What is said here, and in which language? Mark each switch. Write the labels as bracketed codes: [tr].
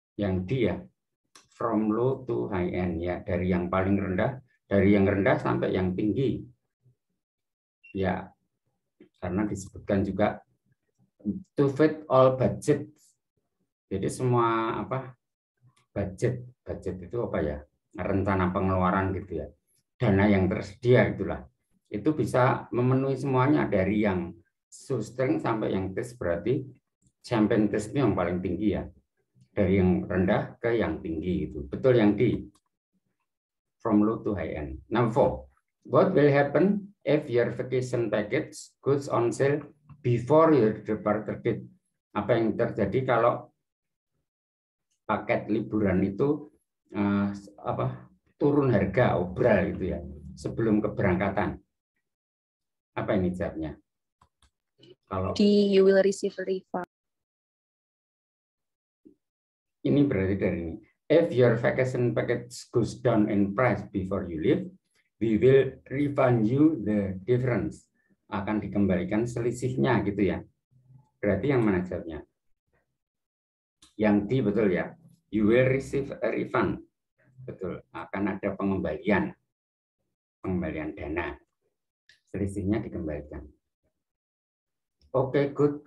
[id] Yang D ya, [en] from low to high end [id] ya, dari yang paling rendah, dari yang rendah sampai yang tinggi ya, karena disebutkan juga [en] to fit all budget, [id] jadi semua apa budget itu apa ya, rencana pengeluaran gitu ya, dana yang tersedia itulah, itu bisa memenuhi semuanya dari yang shoestring sampai yang test, berarti champagne test yang paling tinggi ya. Dari yang rendah ke yang tinggi itu. Betul yang D. [en] From low to high end. Number 4. What will happen if your vacation package goes on sale before your departure date? [id] Apa yang terjadi kalau paket liburan itu apa? Turun harga, obral itu ya, sebelum keberangkatan. Apa ini jawabnya? Kalau D, [en] you will receive a refund. [id] Ini berarti dari ini. [en] If your vacation package goes down in price before you leave, we will refund you the difference. [id] Akan dikembalikan selisihnya gitu ya. Berarti yang mana jawabnya? Yang D betul ya. [en] You will receive a refund. [id] Betul. Akan ada pengembalian. Pengembalian dana. Selisihnya dikembalikan. Oke, [en] good.